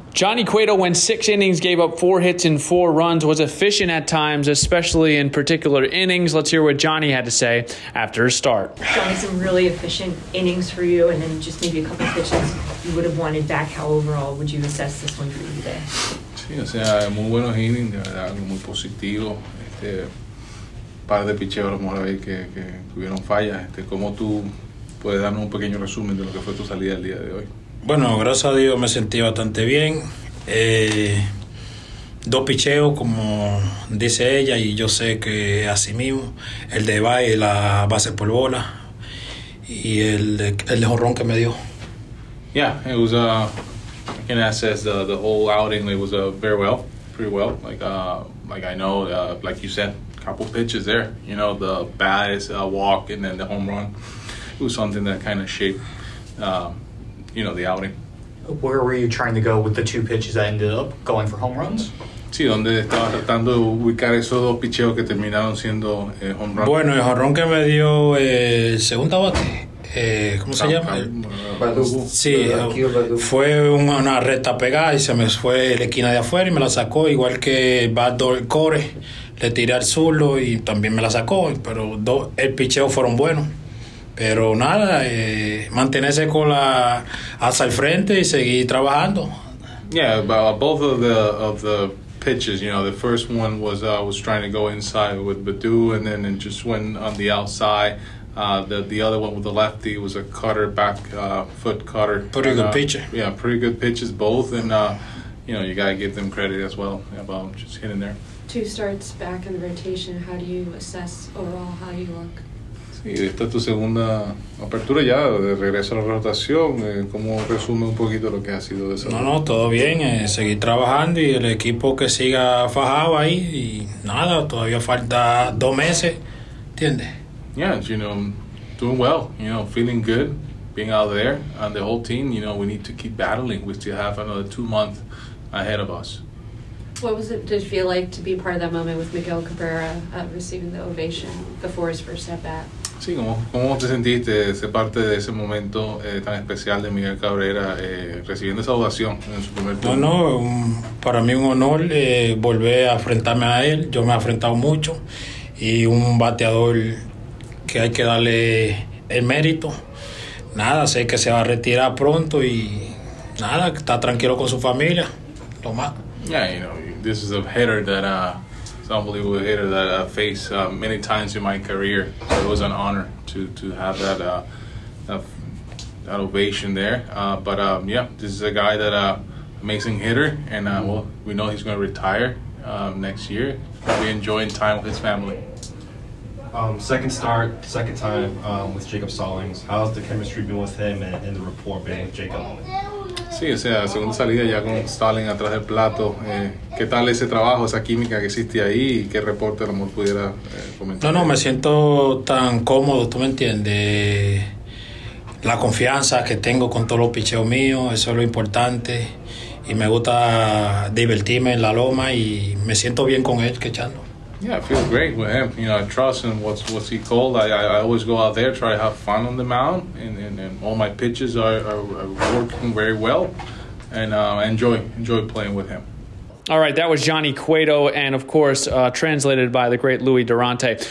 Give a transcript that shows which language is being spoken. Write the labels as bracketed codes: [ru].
[en] Johnny Cueto went 6 innings, gave up 4 hits and 4 runs, was efficient at times, especially in particular innings. Let's hear what Johnny had to say after a start. Johnny, some really efficient innings for you, and then just maybe a couple of pitches you would have wanted back. How overall would you assess this one for you today? [es] Sí, o sea, muy buenos innings, de verdad, algo muy positivo. Par de picheos, a lo mejor ahí que tuvieron fallas. ¿Cómo tú puedes darnos un pequeño resumen de lo que fue tu salida el día de hoy? Bueno, gracias a Dios me sentí bastante bien. 2 picheos, como dice ella, y yo sé que así mismo. El de base, la base por bola, y el de jorrón que me dio. [en] Yeah, it was, I can assess the whole outing. It was pretty well. Like I know, like you said, a couple pitches there. You know, the baddest walk and then the home run. It was something that kind of shaped you know, the outing. Where were you trying to go with the 2 pitches that ended up going for home runs? [es] Sí, donde estaba tratando de ubicar esos 2 picheos que terminaron siendo home runs. Bueno, el jorrón que me dio el segundo bate, ¿cómo se llama? Badugo. Sí, fue una recta pegada y se me fue la esquina de afuera y me la sacó, igual que Badol Core, le tiré al zurdo y también me la sacó, pero el picheo fueron buenos. Pero nada, mantenerse con la hacia el frente y seguir trabajando. [en] Yeah, about both of the pitches, you know, the first one was trying to go inside with Badu and then it just went on the outside. The other one with the lefty was a cutter, back foot cutter. Pretty good pitcher. Yeah, pretty good pitches both, and you know, you gotta give them credit as well about just hitting there. 2 starts back in the rotation. How do you assess overall how you look? [es] Y esta es tu segunda apertura ya, de regreso a la rotación. ¿Cómo resume un poquito lo que ha sido de esa? No, todo bien. Seguir trabajando y el equipo que siga fajado ahí. Y nada, todavía falta 2 meses. ¿Entiendes? [en] Yeah, you know, doing well. You know, feeling good, being out there. And the whole team, you know, we need to keep battling. We still have another 2 months ahead of us. What was it, did it feel like to be part of that moment with Miguel Cabrera receiving the ovation before his first at-bat? [es] Sí, ¿cómo te sentiste ser parte de ese momento tan especial de Miguel Cabrera recibiendo esa ovación en su primer turno? No, para mí un honor volver a enfrentarme a él. Yo me he enfrentado mucho y un bateador que hay que darle el mérito. Nada, sé que se va a retirar pronto y nada, está tranquilo con su familia. Tomás. [en] Yeah, you know, this is a hitter that, it's an unbelievable hitter that I faced many times in my career. So it was an honor to have that that ovation there. Yeah, this is a guy that, amazing hitter, and well, we know he's going to retire next year. He'll be enjoying time with his family. Second start, second time with Jacob Stallings. How's the chemistry been with him and the rapport been with Jacob? [es] Sí, o sea, segunda salida ya con Stalin atrás del plato. ¿Qué tal ese trabajo, esa química que existe ahí? ¿Y qué reporte, el amor, pudiera comentar? No, me siento tan cómodo, tú me entiendes. La confianza que tengo con todos los picheos míos, eso es lo importante. Y me gusta divertirme en la loma y me siento bien con él, quechando. [en] Yeah, I feel great with him. You know, I trust him. What's he called? I always go out there, try to have fun on the mound, and all my pitches are working very well, and I enjoy playing with him. All right, that was Johnny Cueto, and of course, translated by the great Louis Durante.